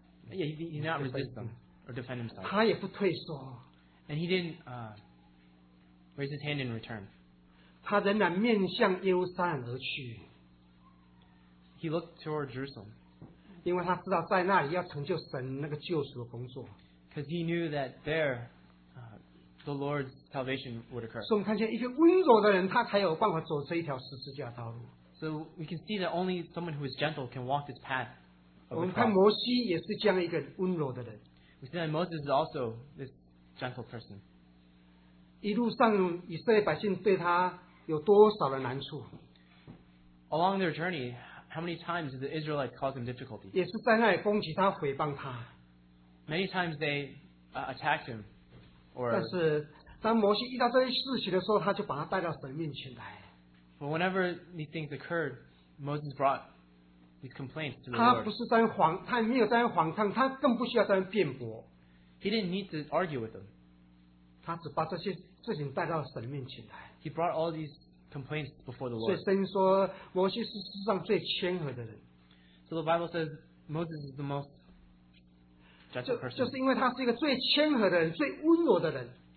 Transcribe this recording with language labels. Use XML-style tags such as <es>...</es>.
<en>Yeah, he did not resist them or defend himself.</en> <zh>他也不退缩。</zh> <en>And he didn't raise his hand in return.</en> <zh>他仍然面向耶路撒冷而去。</zh> <en>He looked toward Jerusalem.</en> <zh>因为他知道在那里要成就神那个救赎的工作。</zh> <en>Because he knew that there, the Lord's salvation would occur.</en> <zh>所以我们看见一个温柔的人，他才有办法走这一条十字架道路。</zh> <en>So we can see that only someone who is gentle can walk this path.</en> <zh>我们看摩西也是这样一个温柔的人。</zh> <en>We see that Moses is also this gentle person.</en> <zh>一路上以色列百姓对他有多少的难处？</zh> <en>Along their journey, how many times did the Israelites cause him difficulty?</en> <zh>也是在那里攻击他，毁谤他。</zh> <en>Many times they attacked him. Or,</en> <zh>但是当摩西遇到这些事情的时候，他就把他带到神面前来。</zh> <en>But whenever these things occurred, Moses brought these complaints to the Lord.</en> <zh>他不是在谎，他没有在谎唱，他更不需要在辩驳。</zh> <en>He didn't need to argue with them.</en> <zh>他只把这些事情带到神面前来。</zh> <en>He brought all these complaints before the Lord.</en> <zh>所以圣经说，摩西是世上最谦和的人。</zh> <en>So the Bible says Moses is the most gentle person.</en> <zh>就是因为他是一个最谦和的人，最温柔的人。</zh>